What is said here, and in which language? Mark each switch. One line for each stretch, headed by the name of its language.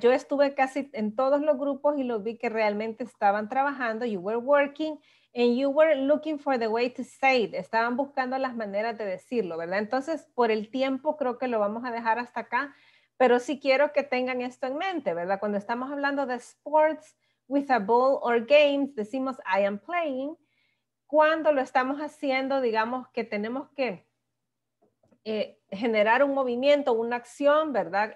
Spanish: Yo estuve casi en todos los grupos y lo vi que realmente estaban trabajando.
English: You were working and you were looking for the way to say it.
Spanish: Estaban buscando las maneras de decirlo, ¿verdad? Entonces, por el tiempo, creo que lo vamos a dejar hasta acá. Pero sí quiero que tengan esto en mente, ¿verdad? Cuando estamos hablando de
English: sports with a ball or games,
Spanish: decimos,
English: I am playing.
Spanish: Cuando lo estamos haciendo, digamos que tenemos que generar un movimiento, una acción, ¿verdad?